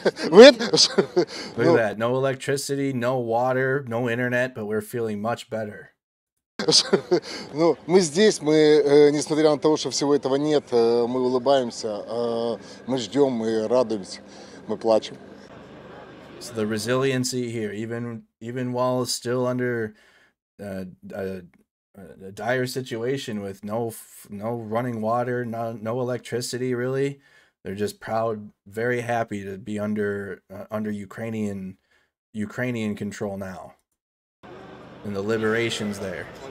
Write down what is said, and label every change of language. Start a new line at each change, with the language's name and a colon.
English: Look at that. No electricity, no water, no internet, but we're feeling much better.
Russian: Ну, мы здесь, мы, несмотря на то, что всего этого нет, мы улыбаемся, мы ждем, мы радуемся, мы плачем.
English: So the resiliency here, even while still under a dire situation with no running water, no electricity really, they're just proud, very happy to be under Ukrainian control now, and the liberation's there.